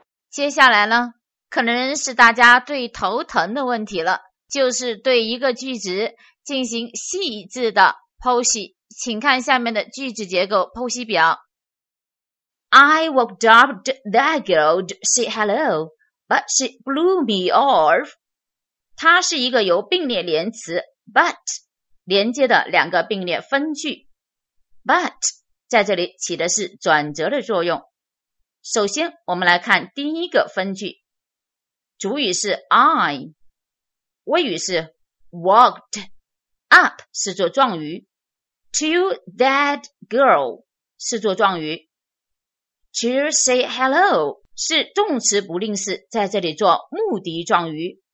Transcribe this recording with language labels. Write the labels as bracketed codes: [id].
[zh] 接下来呢，可能是大家最头疼的问题了，就是对一个句子进行细致的剖析。请看下面的句子结构剖析表。 [en] I walked up to that girl to say hello, but she blew me off。 [zh] 它是一个由并列连词 but 连接的两个并列分句， but 在这里起的是转折的作用。首先我们来看第一个分句，主语是 I， 谓语是 [en] walked up [zh] 是做状语， [en] to that girl [zh] 是做状语， [en] to say hello [zh] 是动词不定式，在这里做目的状语。